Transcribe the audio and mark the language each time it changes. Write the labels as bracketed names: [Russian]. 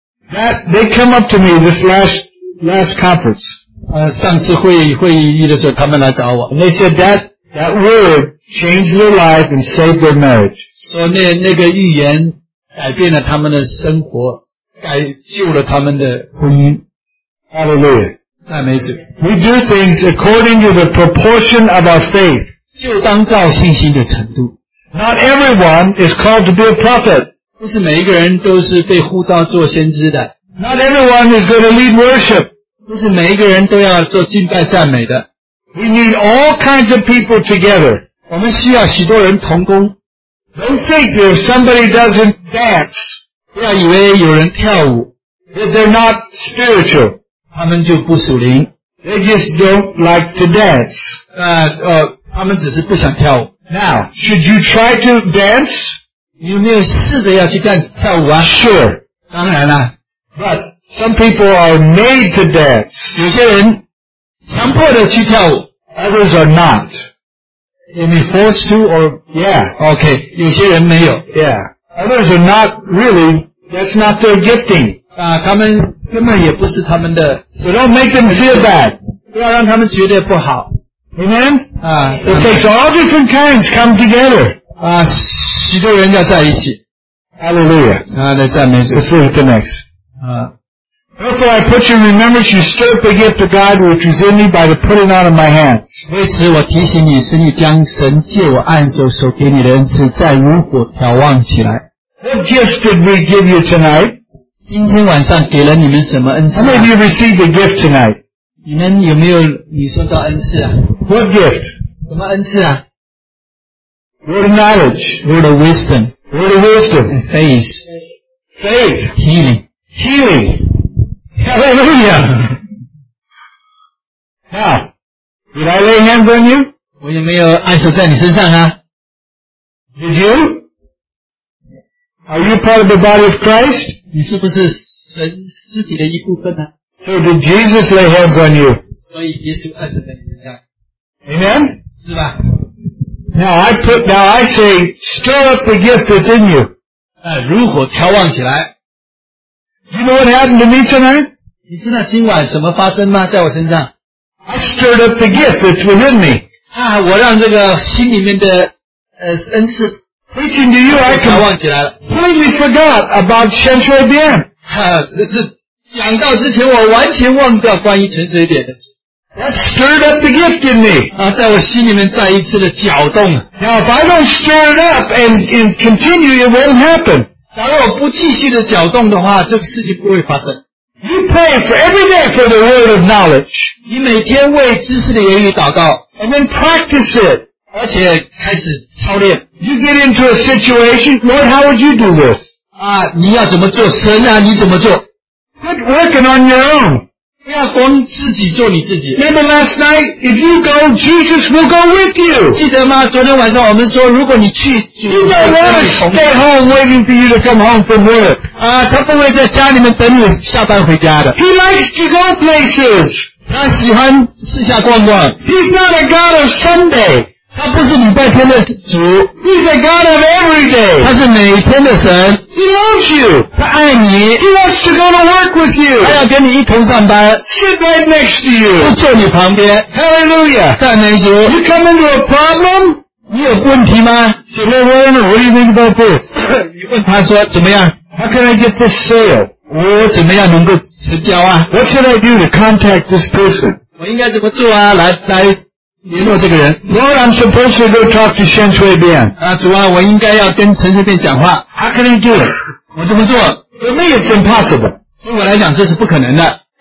[English] They come up to me this last conference. [Chinese] 上次会议的时候他们来找我。 [English] And they said that word changed their life and saved their marriage. [Chinese] 说那个预言改变了他们的生活，改救了他们的婚姻。 [English] Hallelujah. [Chinese] 赞美主。 [English] We do things according to the proportion of our faith. [Chinese] 就当照信心的程度。 [English] Not everyone is called to be a prophet. [Chinese] 不是每一个人都是被呼召做先知的。 [English] Not everyone is going to lead worship. [Chinese] 不是每一个人都要做敬拜赞美的。 [English] We need all kinds of people together. [Chinese] 我们需要许多人同工。 [English] Don't think that if somebody doesn't dance, [Chinese] 不要以为有人跳舞， [English] that they're not spiritual. [Chinese] 他们就不属灵。 [English] They just don't like to dance. [Chinese] 他们只是不想跳舞。 [English] Now, should you try to dance? [Chinese] 有没有试着要去跳舞啊？ [English] Sure. [Chinese] 当然啦。 [English] But some people are made to dance. [Chinese] 有些人强迫的去跳舞。 [English] Others are not. You mean forced to or? Yeah. [Chinese] Okay. 有些人没有。 [English] Yeah. Others are not really. That's not their gifting. [Chinese] 他们根本也不是他们的。 [English] So don't make them feel bad. [Chinese] 不要让他们觉得不好。 [English] Amen? [Chinese] 啊。 [English] It takes all different kinds come together. [Chinese] 啊，许多人要在一起。 [English] Hallelujah. [Chinese] 啊，来赞美主。 [English] Let's see what's next. [Chinese] 啊。 [English] Therefore I put you in remembrance, you stirred the gift of God which is in me by the putting on of my hands. [Chinese] 为此我提醒你，使你将神借我按手所给你的恩赐再如火眺望起来。 [English] What gifts did we give you tonight? [Chinese] 今天晚上给了你们什么恩赐、啊、 [English] How many of you received a gift tonight? [Chinese] 你们有没有你收到恩赐啊 [English] What gift? [Chinese] 什么恩赐啊 [English] Word of knowledge Word of wisdom Word of wisdom And faith Faith Healing Healing Hallelujah lay hands on you? [Chinese] 我也没有按手在你身上啊。 [English] Did you? Are you part of the body of Christ? [Chinese] 你是不是神肢体的一部分啊？ [English] So did Jesus lay hands on you? [Chinese] 所以耶稣按手在你身上。 [English] Amen? [Chinese] 是吧？ [English] Now I say, stir up the gift that's in you. [Chinese] 如火调旺起来。 [English] You know what happened to me tonight? [Chinese] 你知道今晚什么发生吗？在我身上。 [English] I stirred up the gift that's within me. [Chinese] 我让这个心里面的恩赐。 [English] Preaching to you, I completely forgot about 陈水扁。 [Chinese] 讲到之前我完全忘掉关于陈水扁的事。 [English] That stirred up the gift in me. [Chinese] 在我心里面再一次的搅动。 [English] Now if I don't stir it up and continue, it won't happen. [Chinese] 假如我不继续的搅动的话，这个事情不会发生。 [English] You pray for every day for the word of knowledge. [Chinese] 你每天为知识的言语祷告。 [English] And then practice it. [Chinese] 而且开始操练。 [English] You get into a situation, Lord, how would you do this? [Chinese] 你要怎么做？神啊，你怎么做？ [English] Quit working on your own. [Chinese] 不要光自己做你自己。 [English] Remember last night, if you go, Jesus will go with you. [Chinese] 记得吗？昨天晚上我们说，如果你去，主会跟你同行。 [English] He won't want to stay home waiting for you to come home from work. [Chinese] 他不会在家里面等你下班回家的。 [English] He likes to go places. [Chinese] 他喜欢四下逛逛。 [English] He's not a God of Sunday. [Chinese] 他不是礼拜天的主。 [English] He's a God of every day. [Chinese] 他是每天的神。 [English] He loves you. [Chinese] 他爱你。 [English] He wants to go to work with you. [Chinese] 他要跟你一同上班。 [English] Sit right next to you. [Chinese] 就坐你旁边。 [English] Hallelujah. [Chinese] 赞美主。 [English] You come into a problem? [Chinese] 你有问题吗？ [English] So, hey, what do you think about this? [Chinese] 你问他说怎么样？ [English] How can I get this sale? [Chinese] 我怎么样能够成交啊？ [English] What should I do to contact this person? [Chinese] 我应该怎么做啊？来联络这个人。 [English] Lord, I'm supposed to go talk to 陈水扁。 [Chinese] 主啊，我应该要跟陈水扁讲话。 [English] How can I do it? [Chinese] 我怎么做？ [English] For me, it's impossible. [Chinese] 对我来讲，这是不可能的。